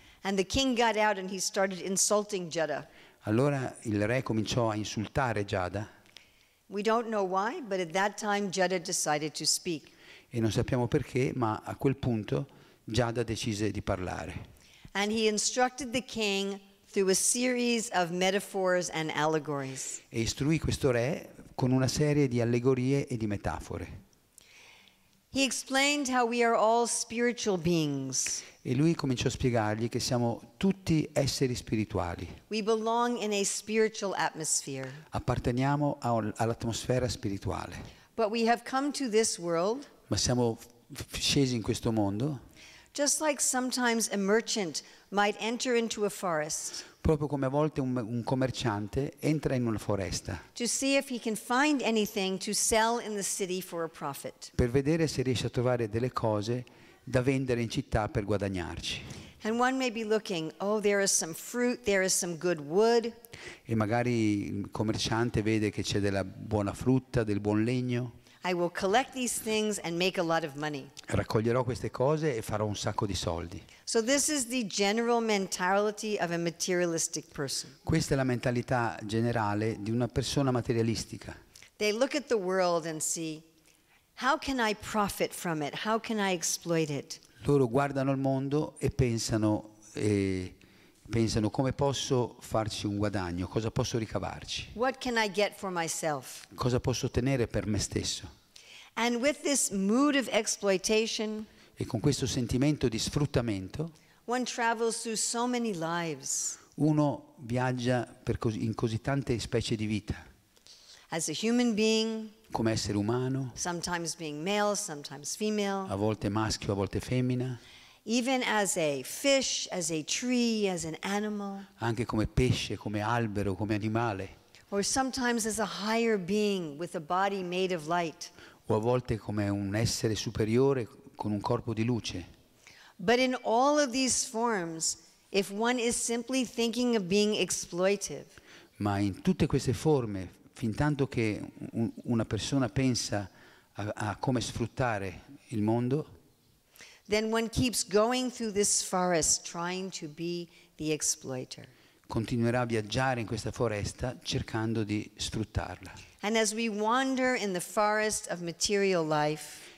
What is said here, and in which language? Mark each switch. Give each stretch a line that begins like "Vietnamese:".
English: And the king got out and he started insulting Jada.
Italian: Allora il re cominciò a insultare Jada.
English: We don't know why, but at that time Jada decided to speak.
Italian: E non sappiamo perché, ma a quel punto Jada decise di parlare.
English: And he instructed the king through a series of metaphors and allegories.
Italian: E istruì questo re con una serie di allegorie e di metafore.
English: He explained how we are all spiritual beings.
Italian: E lui cominciò a spiegargli che siamo tutti esseri spirituali.
English: We belong in a spiritual atmosphere.
Italian: Apparteniamo all'atmosfera spirituale.
English: But we have come to this world.
Italian: Ma siamo scesi in questo mondo.
English: Just like sometimes a merchant might enter into a forest.
Italian: Proprio come a volte un commerciante entra in una foresta.
English: To see if he can find anything to sell in the city for a profit.
Italian: Per vedere se riesce a trovare delle cose da vendere in città per guadagnarci.
English: And one may be looking, oh, there is some fruit, there is some good wood.
Italian: E magari il commerciante vede che c'è della buona frutta, del buon legno.
English: I will collect these things and make a lot of money.
Italian: Raccoglierò queste cose e farò un sacco di soldi.
English: So this is the general mentality of a materialistic person.
Italian: Questa è la mentalità generale di una persona materialistica.
English: They look at the world and see, how can I profit from it? How can I exploit it?
Italian: Loro guardano il mondo e pensano come posso farci un guadagno, cosa posso ricavarci.
English: What can I get for myself?
Italian: Cosa posso ottenere per me stesso.
English: And with this mood of exploitation,
Italian: e con questo sentimento di sfruttamento,
English: one travels through so many lives.
Italian: Uno viaggia in così tante specie di vita.
English: As a human being,
Italian: come essere umano,
English: sometimes being male, sometimes female,
Italian: a volte maschio, a volte femmina.
English: Even as a fish, as a tree, as an animal.
Italian: Anche come pesce, come albero, come animale.
English: Or sometimes as a higher being with a body made of light.
Italian: O a volte come un essere superiore con un corpo di luce.
English: But in all of these forms, if one is simply thinking of being exploitive.
Italian: Ma in tutte queste forme, fin tanto che una persona pensa a come sfruttare il mondo.
English: Then one keeps going through this forest trying to be the exploiter.
Italian: Continuerà a viaggiare in questa foresta cercando di sfruttarla.
English: And as we wander in the forest of material life,